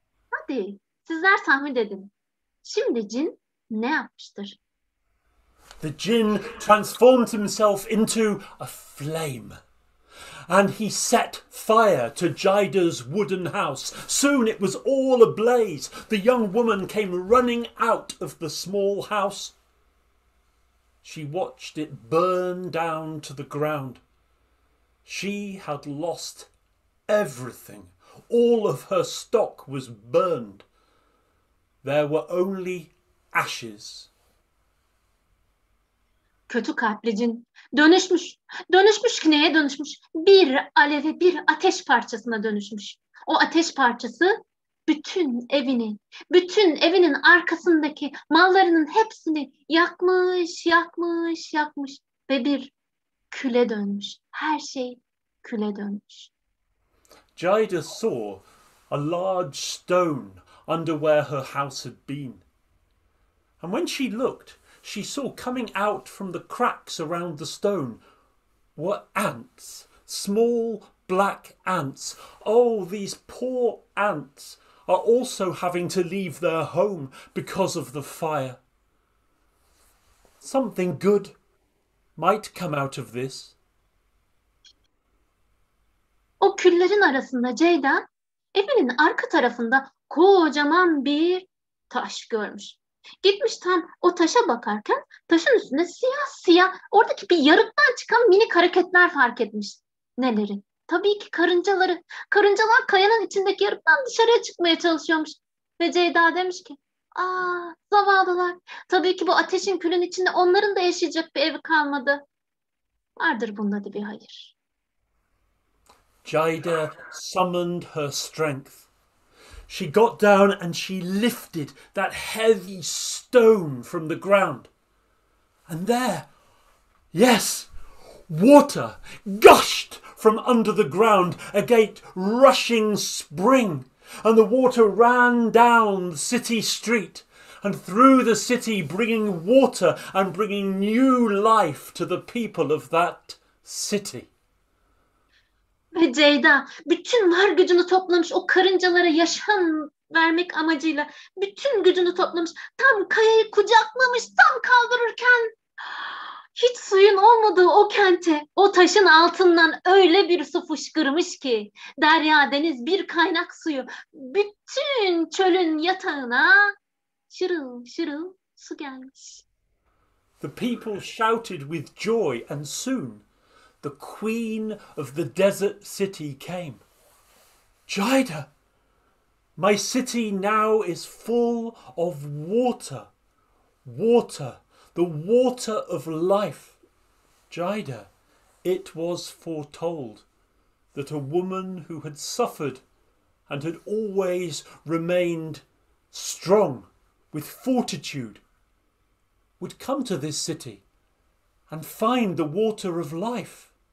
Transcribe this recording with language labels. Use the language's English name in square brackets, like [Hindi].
[Turkish] Hadi sizler tahmin edin. Şimdi cin ne yapmıştır? [English] The cin transformed himself into a flame. And he set fire to Jaida's wooden house. Soon it was all ablaze. The young woman came running out of the small house. She watched it burn down to the ground. She had lost everything. All of her stock was burned. There were only ashes. [Turkish] Kötü kalpli cin dönüşmüş, dönüşmüş ki neye dönüşmüş? Bir aleve, bir ateş parçasına dönüşmüş. O ateş parçası bütün evini, bütün evinin arkasındaki mallarının hepsini yakmış, yakmış, yakmış ve bir küle dönmüş. Her şey küle dönmüş. [English] Jaida saw a large stone under where her house had been. And when she looked, she saw coming out from the cracks around the stone were ants, small black ants. Oh, these poor ants are also having to leave their home because of the fire. Something good might come out of this. [Turkish] O küllerin arasında Ceyda'nın evinin arka tarafında kocaman bir taş görmüş. Gitmiş tam o taşa bakarken taşın üstünde siyah siyah oradaki bir yarıktan çıkan minik hareketler fark etmiş. Neleri? Tabii ki karıncaları. Karıncalar kayanın içindeki yarıktan dışarıya çıkmaya çalışıyormuş. Ve Ceyda demiş ki, aa zavallılar. Tabii ki bu ateşin külün içinde onların da yaşayacak bir evi kalmadı. Vardır bunda da bir hayır. [English] Ceyda summoned her strength. She got down and she lifted that heavy stone from the ground. And there, yes, water gushed from under the ground, a great rushing spring. And the water ran down the city street and through the city, bringing water and bringing new life to the people of that city. [Turkish] Ve Ceyda bütün var gücünü toplamış o karıncalara yaşam vermek amacıyla bütün gücünü toplamış tam kayayı kucaklamış tam kaldırırken hiç suyun olmadığı o kente o taşın altından öyle bir su fışkırmış ki derya deniz bir kaynak suyu bütün çölün yatağına şırıl şırıl su gelmiş. [English] The people shouted with joy and soon the queen of the desert city came. Ceyda, my city now is full of water. Water, the water of life. Ceyda, it was foretold that a woman who had suffered and had always remained strong with fortitude would come to this city and find the water of life.